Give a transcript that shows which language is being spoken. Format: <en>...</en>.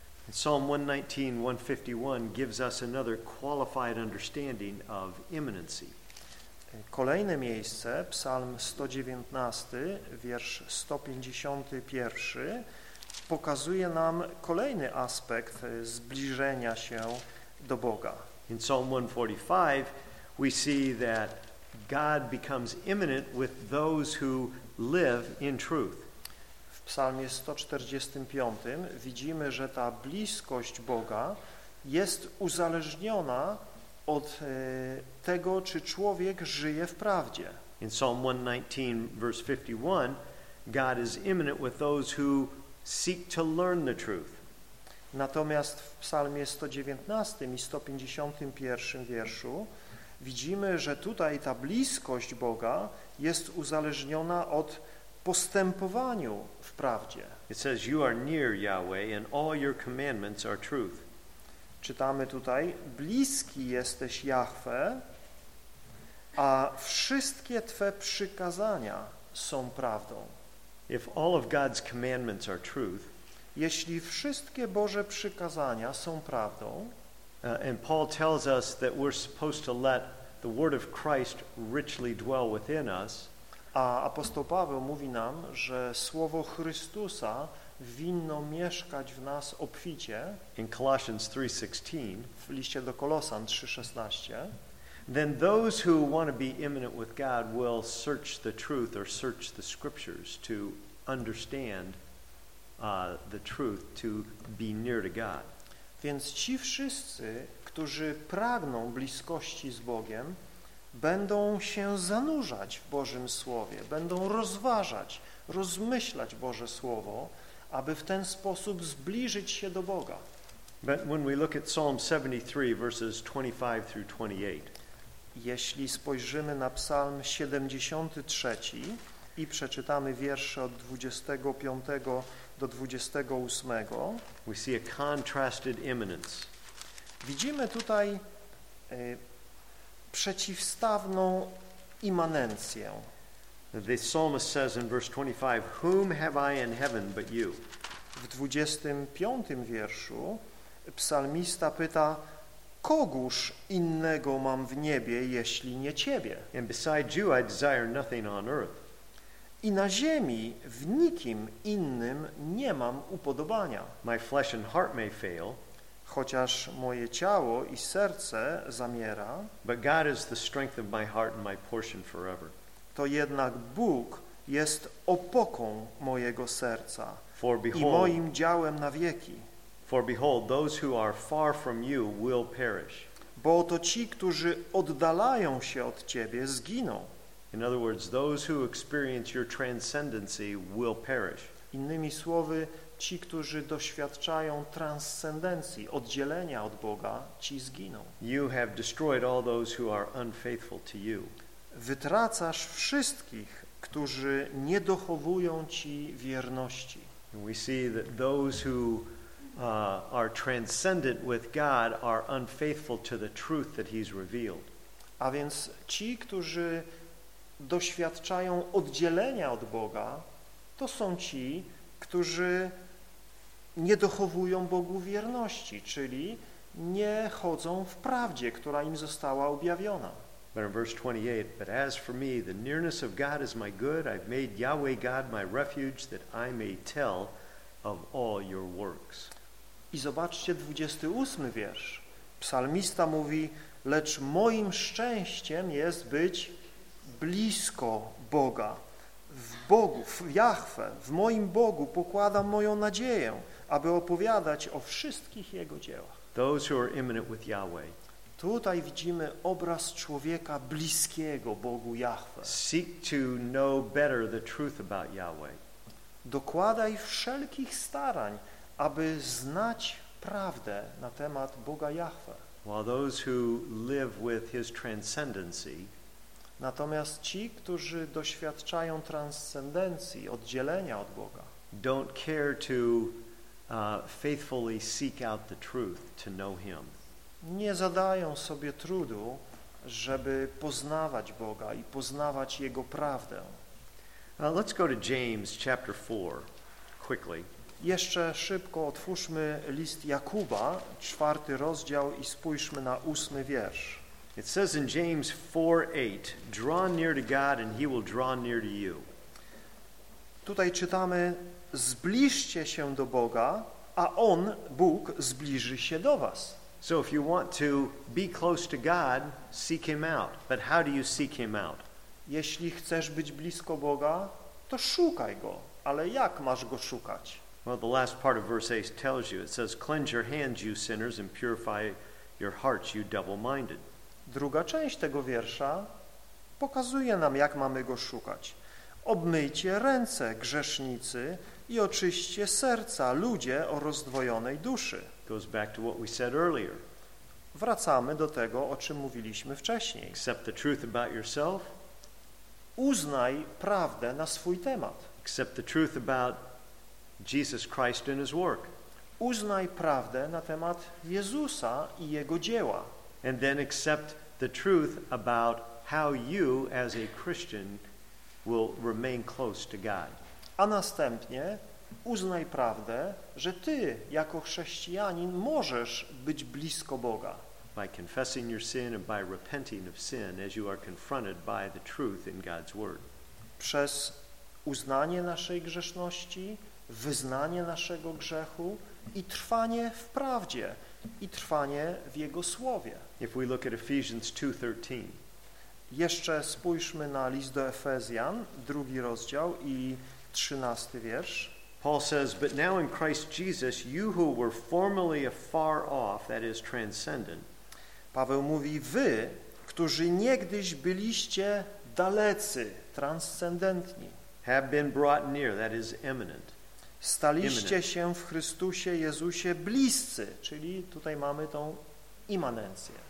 <en>Psalm 119:151 gives us another qualified understanding of imminency.</en> <pl>Kolejne miejsce, Psalm 119, wiersz 151, pokazuje nam kolejny aspekt zbliżenia się do Boga.</pl> <en>In Psalm 145 we see that God becomes imminent with those who live in truth.</en> <pl>W Psalmie 145 widzimy, że ta bliskość Boga jest uzależniona od tego, czy człowiek żyje w prawdzie.</pl> <en>In Psalm 119, verse 51, God is imminent with those who seek to learn the truth.</en> <pl>Natomiast w Psalmie 119 i 151 wierszu widzimy, że tutaj ta bliskość Boga jest uzależniona od postępowania w prawdzie.</pl> <en>It says, you are near Yahweh and all your commandments are truth.</en> <pl>Czytamy tutaj, bliski jesteś Jahwe, a wszystkie Twe przykazania są prawdą.</pl> <en>If all of God's commandments are truth,</en> <pl>jeśli wszystkie Boże przykazania są prawdą,</pl> <en>and Paul tells us that we're supposed to let the word of Christ richly dwell within us,</en> <pl>a apostoł Paweł mówi nam, że słowo Chrystusa winno mieszkać w nas obficie.</pl> <en>In Colossians 3:16,</en> <pl>w liście do Kolosan 3:16,</pl> <en>then those who want to be imminent with God will search the truth or search the scriptures to understand the truth, to be near to God.</en> <pl>Więc ci wszyscy, którzy pragną bliskości z Bogiem, będą się zanurzać w Bożym Słowie, będą rozważać, rozmyślać Boże Słowo, aby w ten sposób zbliżyć się do Boga.</pl> <en>But when we look at Psalm 73, verses 25 through 28.</en> <pl>Jeśli spojrzymy na Psalm 73 i przeczytamy wiersze od 25 do 28,</pl> <en>we see a contrasted imminence.</en> <pl>Widzimy tutaj przeciwstawną immanencję.</pl> <en>The psalmist says in verse 25, whom have I in heaven but you?</en> <pl>W 25 wierszu psalmista pyta, kogóż innego mam w niebie, jeśli nie ciebie?</pl> <en>And beside you I desire nothing on earth.</en> <pl>I na ziemi w nikim innym nie mam upodobania.</pl> <en>My flesh and heart may fail,</en> <pl>chociaż moje ciało i serce zamiera,</pl> <en>but God is the strength of my heart and my portion forever.</en> <pl>To jednak Bóg jest opoką mojego serca,</pl> <en>for behold,</en> <pl>i moim działem na wieki.</pl> <en>For behold, those who are far from you will perish.</en> <pl>Bo to ci, którzy oddalają się od ciebie, zginą.</pl> <en>In other words, those who experience your transcendency will perish.</en> <pl>Innymi słowy, ci, którzy doświadczają transcendencji, oddzielenia od Boga, ci zginą.</pl> <en>You have destroyed all those who are unfaithful to you.</en> <pl>Wytracasz wszystkich, którzy nie dochowują ci wierności.</pl> <en>We see that those who are transcendent with God are unfaithful to the truth that he's revealed.</en> <pl>A więc ci, którzy doświadczają oddzielenia od Boga, to są ci, którzy nie dochowują Bogu wierności, czyli nie chodzą w prawdzie, która im została objawiona.</pl> <en>But in verse 28, but as for me, the nearness of God is my good. I've made Yahweh God my refuge, that I may tell of all your works.</en> <pl>I zobaczcie 28 wiersz. Psalmista mówi, lecz moim szczęściem jest być blisko Boga. W Bogu, w Jahwe, w moim Bogu pokładam moją nadzieję, aby opowiadać o wszystkich Jego dziełach.</pl> <en>Those who are imminent with Yahweh.</en> <pl>Tutaj widzimy obraz człowieka bliskiego Bogu Jahwe.</pl> <en>Seek to know better the truth about Yahweh.</en> <pl>Dokładaj wszelkich starań, aby znać prawdę na temat Boga Jahwe.</pl> <en>While those who live with his transcendency,</en> <pl>natomiast ci, którzy doświadczają transcendencji, oddzielenia od Boga,</pl> <en>don't care to faithfully seek out the truth to know him.</en> <pl>Nie zadają sobie trudu, żeby poznawać Boga i poznawać Jego prawdę.</pl> <en>Let's go to James chapter 4 quickly.</en> <pl>Jeszcze szybko otwórzmy list Jakuba, 4 rozdział i spójrzmy na 8 wiersz.</pl> <en>It says in James 4:8, draw near to God and he will draw near to you.</en> <pl>Tutaj czytamy, zbliżcie się do Boga, a On, Bóg, zbliży się do was.</pl> <en>So if you want to be close to God, seek him out. But how do you seek him out?</en> <pl>Jeśli chcesz być blisko Boga, to szukaj go. Ale jak masz go szukać?</pl> <en>Well, the last part of verse 8 tells you. It says, cleanse your hands, you sinners, and purify your hearts, you double-minded.</en> <pl>Druga część tego wiersza pokazuje nam, jak mamy go szukać. Obmyjcie ręce, grzesznicy, i oczyście serca, ludzie o rozdwojonej duszy.</pl> <en>Goes back to what we said earlier.</en> <pl>Wracamy do tego, o czym mówiliśmy wcześniej.</pl> <en>Accept the truth about yourself.</en> <pl>Uznaj prawdę na swój temat.</pl> <en>Accept the truth about Jesus Christ and his work.</en> <pl>Uznaj prawdę na temat Jezusa i jego dzieła.</pl> <en>And then accept the truth about how you as a Christian will remain close to God.</en> <pl>A następnie uznaj prawdę, że ty jako chrześcijanin możesz być blisko Boga.</pl> <en>By confessing your sin and by repenting of sin as you are confronted by the truth in God's word.</en> <pl>Przez uznanie naszej grzeszności, wyznanie naszego grzechu i trwanie w prawdzie i trwanie w jego słowie.</pl> <en>If we look at Ephesians 2:13.</en> <pl>Jeszcze spójrzmy na list do Efezjan, 2 rozdział i 13 wiersz.</pl> <en>Paul says, but now in Christ Jesus, you who were formerly afar off, that is transcendent.</en> <pl>Paweł mówi, wy, którzy niegdyś byliście dalecy, transcendentni,</pl> <en>have been brought near, that is imminent.</en> <pl>Staliście się w Chrystusie Jezusie bliscy, czyli tutaj mamy tą imanencję.</pl>